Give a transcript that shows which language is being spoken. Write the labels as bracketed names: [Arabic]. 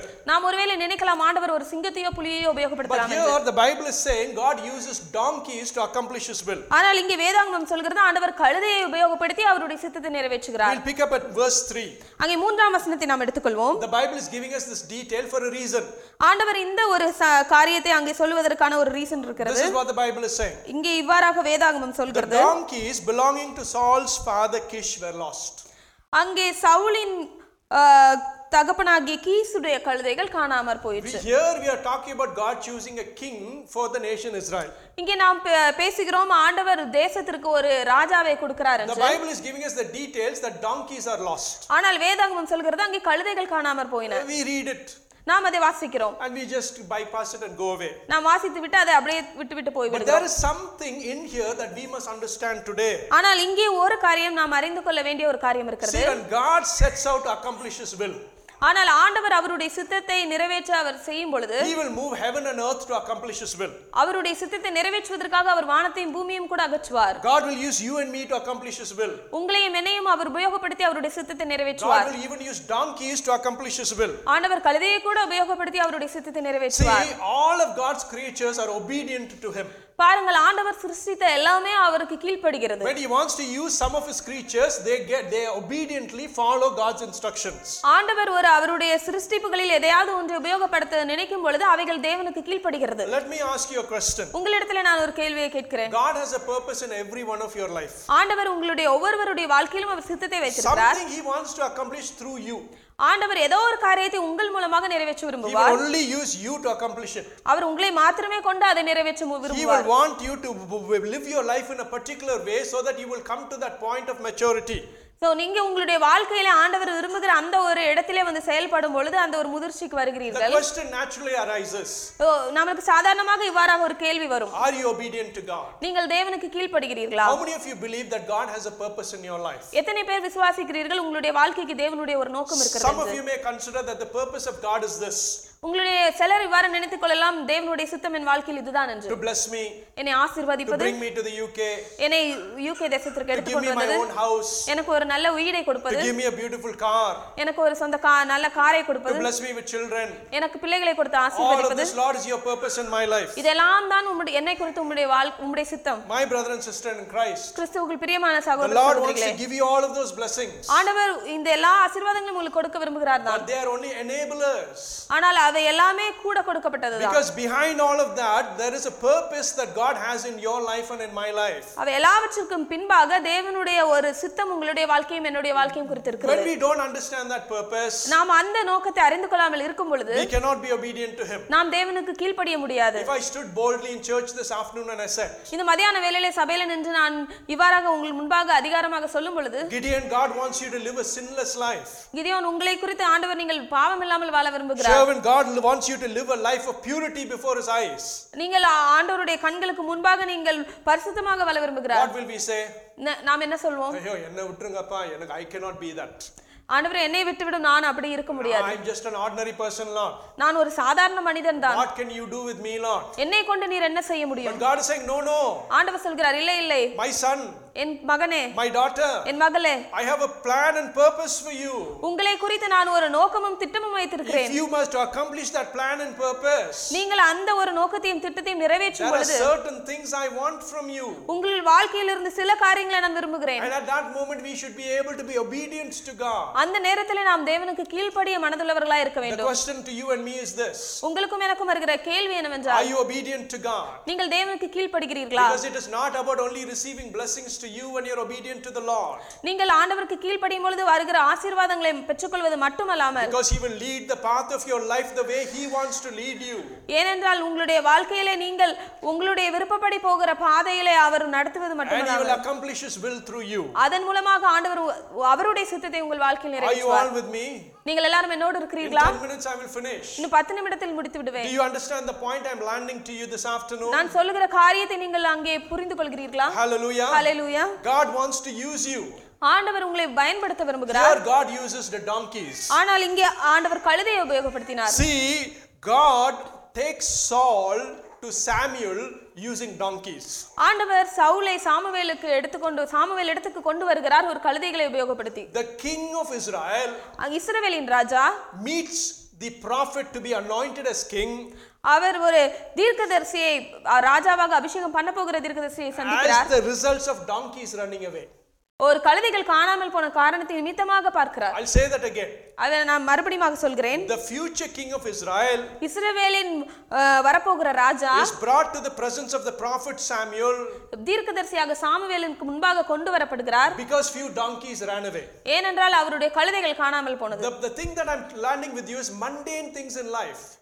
[Tamil] நாம் ஒருவேளை நினைக்கலாம் ஆண்டவர் ஒரு சிங்கத்தையோ புலியையோ உபயோகப்படுத்தலாம். ஆனால் இங்கே வேதாகமம் சொல்கிறது ஆண்டவர் கழுதையை உபயோகப்படுத்தி அவருடைய சித்தத்தை நிறைவேற்றுகிறார். [English] We'll pick up at verse 3. [Tamil] அங்கே மூன்றாம் வசனத்தை நாம் எடுத்துக்கொள்வோம். [English] The Bible is giving us this detail for a reason. [Tamil] ஆண்டவர் இந்த ஒரு காரியத்தை அங்கே சொல்வதற்கான ஒரு ரீசன் இருக்கிறது. [English] This is what the Bible is saying. [Tamil] இங்கே இவ்வாறாக வேதாகமம் சொல்கிறது. [English] The donkeys belonging to Saul's father Kish were lost. [Tamil] அங்கே சவுலின் தகப்பனாகிய கீசுடைய கழுதைகள் காணாமற் போயிற்று. [English] Here we are talking about God choosing a king for the nation Israel. [Tamil] இங்கே நாம் பேசுகிறோம் ஆண்டவர் தேசத்திற்கு ஒரு ராஜாவை கொடுக்கிறார் என்று. [English] The Bible is giving us the details that donkeys are lost. [Tamil] ஆனால் வேதாகமம் சொல்கிறது அங்கே கழுதைகள் காணாமற் போயின. [English] We read it. [Tamil] நாம் அதை வாசிக்கிறோம். [English] And we just bypass it and go away. [Tamil] நாம் வாசித்து விட்டு அதை அப்படியே விட்டு விட்டு போய்விடுவோம். [English] But there is something in here that we must understand today. [Tamil] ஆனால் இங்கே ஒரு காரியம் நாம் அறிந்து கொள்ள வேண்டிய ஒரு காரியம் இருக்கிறது. [English] See, when God sets out to accomplish his will. [Tamil] ஆனால் ஆண்டவர் அவருடைய சித்தத்தை நிறைவேற்ற அவர் செய்யும் பொழுது [English] He will move heaven and earth to accomplish his will. [Tamil] அவருடைய சித்தத்தை நிறைவேற்றுவதற்காக அவர் வானத்தையும் பூமியையும் கூட அகற்றுவார். [English] God will use you and me to accomplish his will. [Tamil] உங்களையும் என்னையும் அவர் உபயோகப்படுத்தி அவருடைய சித்தத்தை நிறைவேற்றுவார். [English] God will even use donkeys to accomplish his will. [Tamil] ஆண்டவர் கழுதையை கூட உபயோகப்படுத்தி அவருடைய சித்தத்தை நிறைவேற்றுவார். [English] See, all of God's creatures are obedient to him. [Tamil] பாருங்கள் ஆண்டவர் சிருஷ்டித்த எல்லாமே அவருக்கு கீழ்ப்படுகிறது. [English] When he wants to use some of his creatures, they obediently follow God's instructions. [Tamil] ஆண்டவர் ஒரு அவருடைய சிருஷ்டிப்புகளில் எதையாவது ஒன்றை உபயோகப்படுத்த நினைக்கும் பொழுது அவைகள் தேவனுக்கு கீழ்ப்படுகிறது. [English] Let me ask you a question. [Tamil] உங்களிடத்தில் நான் ஒரு கேள்வியை கேட்கிறேன். [English] God has a purpose in every one of your life. [Tamil] ஆண்டவர் உங்களுடைய ஒவ்வொருவருடைய வாழ்க்கையிலும் அவர் சித்தத்தை வைத்திருக்கிறார். [English] Something he wants to accomplish through you. [Tamil] ஆண்டவர் ஏதோ ஒரு காரியத்தை உங்கள் மூலமாக நிறைவேற்ற விரும்புவார். [English] He will only use you to accomplish it. [Tamil] அவர் உங்களை மட்டுமே கொண்டு அதை நிறைவேற்ற விரும்புவார். [English] He will want you to live your life in a particular way so that you will come to that point of maturity. [Tamil] So நீங்க உங்களுடைய வாழ்க்கையிலே ஆண்டவர் விரும்புகிற அந்த ஒரு இடத்திலே வந்து செயல்படும் பொழுது அந்த ஒரு முதிர்ச்சிக்கு வருகிறீர்கள். [English] The question naturally arises. [Tamil] நமக்கு சாதாரணமாக இவ்வாறாக ஒரு கேள்வி வரும். [English] Are you obedient to God? [Tamil] நீங்கள் தேவனுக்கு கீழ்ப்படுகிறீர்களா? [English] How many of you believe that God has a purpose in your life? [Tamil] எத்தனை பேர் விசுவாசிக்கிறீர்கள் உங்களுடைய வாழ்க்கைக்கு தேவனுடைய ஒரு நோக்கம் இருக்கிறது? [English] Some of you may consider that the purpose of God is this. [Tamil] உங்களுடைய சிலர் இவ்வாறு நினைத்துக் கொள்ளலாம் தேவனுடைய சித்தம் என் வாழ்க்கையில் இதுதான் என்று. [English] To bless me. [Tamil] என்னை ஆசீர்வதிப்பது. [English] To bring me to the UK. [Tamil] என்னை UK தேசத்திற்கு எடுத்துக்கொண்டு வருவது. [English] To give me my own house. [Tamil] எனக்கு ஒரு நல்ல வீடை கொடுப்பது. [English] To give me a beautiful car. [Tamil] எனக்கு ஒரு சொந்த கார் நல்ல காரை கொடுப்பது. [English] To bless me with children. [Tamil] எனக்கு பிள்ளைகளை கொடுத்து ஆசீர்வதிப்பது. [English] All of this, Lord, is your purpose in my life. [Tamil] இதெல்லாம் தான் என்னை குறித்து உம்முடைய சித்தம். [English] My brother and sister in Christ. [Tamil] கிறிஸ்துவுக்குள் பிரியமான சகோதர சகோதரிகளே. [English] The Lord wants to give you all of those blessings. [Tamil] ஆண்டவர் இந்த எல்லா ஆசீர்வாதங்களையும் உங்களுக்கு கொடுக்க விரும்புகிறார் தான். [English] But they are only enablers. [Tamil] ஆனால் அவை எல்லாமே கூட கொடுக்கப்பட்டதுதான். [English] Because behind all of that there is a purpose that God has in your life and in my life. [Tamil] அவை எல்லாவற்றுக்கும் பின்பாக தேவனுடைய ஒரு சித்தம் உங்களுடைய வாழ்க்கையும் என்னுடைய வாழ்க்கையும் குறித்து இருக்கிறது. [English] When we don't understand that purpose, [Tamil] நாம் அந்த நோக்கத்தை அறிந்து கொள்ளாமல் இருக்கும் பொழுது [English] we cannot be obedient to him. [Tamil] நாம் தேவனுக்கு கீழ்ப்படிய முடியாது. [English] If I stood boldly in church this afternoon and I said, [Tamil] இந்த மதியான வேளையிலே சபையில நின்று நான் இவ்வாறாக உங்கள் முன்பாக அதிகாரமாக சொல்லும் பொழுது [English] Gideon, God wants you to live a sinless life. [Tamil] Gideon, உங்களை குறித்து ஆண்டவர் நீங்கள் பாவம் இல்லாமல் வாழ விரும்புகிறார். [English] Servant, God wants you to live a life of purity before his eyes. [Tamil] நீங்கள் ஆண்டவருடைய கண்களுக்கு முன்பாக நீங்கள் பரிசுத்தமாக வாழ விரும்புகிறீர்கள். [English] What will we say? [Tamil] நாம் என்ன சொல்வோம்? ஐயோ என்ன விட்டுருங்கப்பா எனக்கு [English] I cannot be that. [Tamil] ஆண்டவரே என்னை விட்டுவிடும் நான் அப்படி இருக்க முடியாது. [English] I am just an ordinary person, Lord. [Tamil] நான் ஒரு சாதாரண மனிதன் தான். [English] What can you do with me, Lord? [Tamil] என்னை கொண்டு நீர் என்ன செய்ய முடியும்? [English] But God is saying no. [Tamil] ஆண்டவர் சொல்கிறார் இல்லை இல்லை. [English] My son. [Tamil] என் மகனே. [English] My daughter. [Tamil] என் மகளே. [English] I have a plan and purpose for you. [Tamil] உங்களை குறித்து நான் ஒரு நோக்கமும் திட்டமும் வைத்திருக்கிறேன். [English] If you must accomplish that plan and purpose. [Tamil] நீங்கள் அந்த ஒரு நோக்கத்தையும் திட்டத்தையும் நிறைவேற்றும் பொழுது [English] There are certain things I want from you. [Tamil] உங்கள் வாழ்க்கையிலிருந்து சில காரியங்களை நான் விரும்புகிறேன். [English] And at that moment we should be able to be obedient to God. [Tamil] அந்த நேரத்திலே நாம் தேவனுக்கு கீழ்ப்படிய மனதுள்ளவர்களாக இருக்க வேண்டும். [English] The question to you and me is this. [Tamil] உங்களுக்கும் எனக்கும் இருக்கிற கேள்வி என்னவென்றால் [English] Are you obedient to God? [Tamil] நீங்கள் தேவனுக்கு கீழ்ப்படுகிறீர்களா? [English] Because it is not about only receiving blessings to you when you're obedient to the Lord. [Tamil] நீங்கள் ஆண்டவருக்கு கீழ்ப்படியும் பொழுது வருகிற ஆசீர்வாதங்களை பெற்றுக்கொள்வது மட்டுமல்லாமல் [English] Because he will lead the path of your life the way he wants to lead you. [Tamil] ஏனென்றால் உங்களுடைய வாழ்க்கையிலே நீங்கள் உங்களுடைய விருப்பப்படி போகிற பாதையிலே அவர் நடத்துவது மட்டுமல்லாமல் [English] And he will accomplish his will through you. [Tamil] அதன் மூலமாக ஆண்டவர் அவருடைய சித்தத்தை உங்கள் வாழ்க்கையில் நிறைவேற்றுவார். [English] Are you all with me? [Tamil] நீங்கள் எல்லாரும் என்னோடு இருக்கிறீர்களா? [English] In 10 minutes I will finish. [Tamil] இன்னும் 10 நிமிடத்தில் முடித்து விடுவேன். [English] Do you understand the point I am landing to you this afternoon? [Tamil] நான் சொல்லுகிற காரியத்தை நீங்கள் அங்கே புரிந்துகொள்கிறீர்களா? [English] Hallelujah. Hallelujah. God wants to use you. [Tamil] ஆண்டவர் உங்களை பயன்படுத்த விரும்புகிறார். [English] Here God uses the donkeys. [Tamil] ஆனால் இங்கே ஆண்டவர் கழுதையை உபயோகப்படுத்தினார். [English] See, God takes Saul to Samuel using donkeys. [Tamil] ஆண்டவர் சவுலை சாமுவேலுக்கு எடுத்துக்கொண்டு சாமுவேல் இடத்துக்கு கொண்டு வருகிறார் ஒரு கழுதைகளை உபயோகப்படுத்தி. [English] The king of Israel [Tamil] இஸ்ரவேலின் ராஜா [English] meets the prophet to be anointed as king. [Tamil] அவர் ஒரு தீர்க்கதரிசியை ராஜாவாக அபிஷேகம் பண்ண போகிற தீர்க்கதரிசியை சந்திக்கிறார். [English] As the results of donkeys running away. [Tamil] ஒரு கழுதைகள் காணாமல் போன காரணத்தை நிமித்தமாக பார்க்கிறார். [English] I'll say that again. [Tamil] அதை நான் மறுபடியும் சொல்கிறேன். [English] The future king of Israel. [Tamil] இஸ்ரவேலின் வரப்போகிற ராஜா. [English] He is brought to the presence of the prophet Samuel. [Tamil] தீர்க்கதரிசியாக சாமுவேலுக்கு முன்பாக கொண்டு வரப்படுகிறார். [English] Because few donkeys ran away. [Tamil] ஏனென்றால் அவருடைய கழுதைகள் காணாமல் போனது. [English] The thing that I'm learning with you is mundane things in life.